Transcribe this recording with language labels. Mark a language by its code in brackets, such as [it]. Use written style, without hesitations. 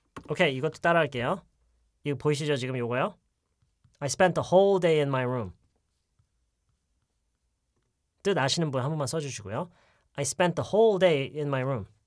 [ko] 오케이, 이것도 따라할게요. 이거 보이시죠, 지금 요거요? [en] I spent the whole day in my room. [ko] 뜻 아시는 분 한 번만 써주시고요. [en] I spent the whole day in my room.